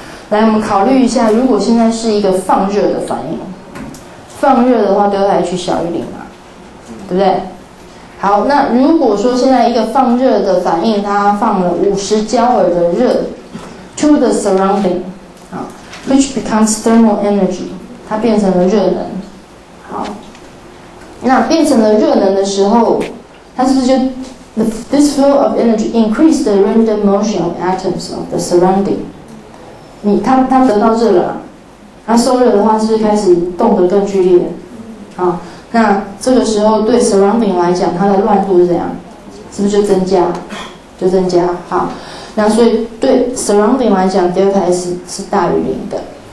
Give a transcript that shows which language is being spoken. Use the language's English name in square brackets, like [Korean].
[Chinese] 来，我们考虑一下，如果现在是一个放热的反应，放热的话 delta H 小于零嘛，对不对？好，那如果说现在一个放热的反应，它放了50 joules的热 [English] to the surrounding。 Which becomes thermal energy， [Chinese] 它变成了热能。好，那变成了热能的时候，它是不是就 [English] this flow of energy increase the random motion of atoms of the surrounding？ [Chinese] 它得到热了，它受热的话是不是开始动得更剧烈？好，那这个时候对 surrounding 来讲，它的乱度是怎样？是不是就增加？就增加。好。那所以对 surrounding 来讲 delta S 是大于零的。